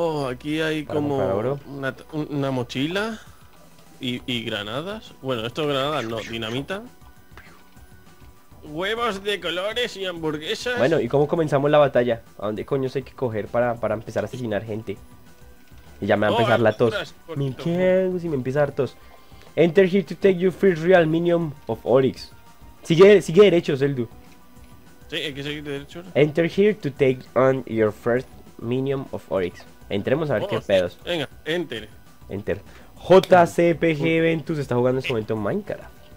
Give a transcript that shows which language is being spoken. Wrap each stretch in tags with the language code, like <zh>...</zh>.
<es>Aquí hay como una mochila. Y granadas. Bueno, esto es granada, no, dinamita. Huevos de colores y hamburguesas. Bueno, ¿y cómo comenzamos la batalla? ¿A dónde coño se hay que coger para empezar a asesinar gente? Y ya me va a empezar la tos. Si me empieza a dar tos.</es> <en>Enter here to take your first real minion of Oryx.</en> <es>Sigue derecho, Zeldu. Sí, hay que seguir derecho.</es> <en>Enter here to take on your first minion of Oryx.</en> <es>Entremos a ver qué pedos. Venga, enter.</es> <en>Enter.</en> <es>JCPG Ventus está jugando en este momento en Minecraft.</es>